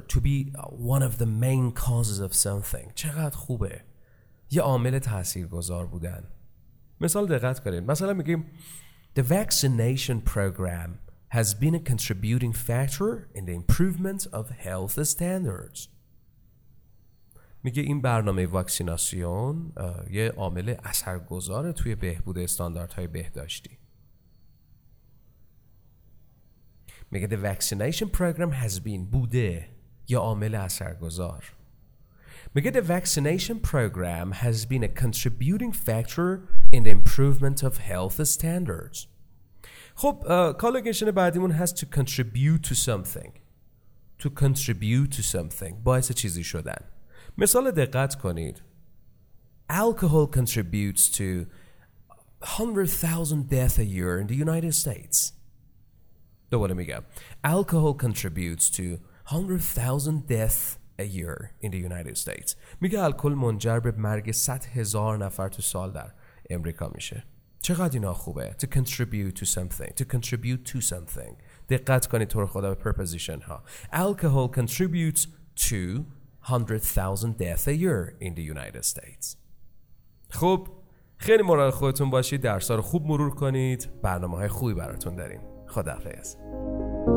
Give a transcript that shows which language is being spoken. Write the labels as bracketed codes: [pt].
[en] To be one of the main causes of something. [fa] چقدر خوبه. یه عامل تاثیرگذار بودن. مثال دقت کنید. مثلا میگیم [en] the vaccination program has been a contributing factor in the improvement of health standards. [fa] میگه این برنامه واکسیناسیون یه عامل اثرگذار توی بهبود استانداردهای بهداشتی. میگه [en] the vaccination program has been [fa] بوده یا عامل اثرگذار. میگه [en] the vaccination program has been a contributing factor in the improvement of health standards. [fa] خب کالکشن بعدیمون هست [en] to contribute to something. To contribute to something. [fa] باعث چیزی شدن. مثال دقت کنید. [en] Alcohol contributes to 100,000 deaths a year in the United States. [fa] دوباره میگم. [en] Alcohol contributes to 100,000 deaths a year in the United States. [fa] میگه الکل منجر به مرگ 100,000 نفر تو سال در امریکا میشه. چقدر اینا خوبه. [en] To contribute to something. To contribute to something. [fa] دقت کنید طور خدا به preposition ها. [en] Alcohol contributes to 100,000 deaths a year in the United States. [fa] خوب خیلی مراقب خودتون باشید. درس ها رو خوب مرور کنید. برنامه های خوبی براتون داریم. خداحافظ.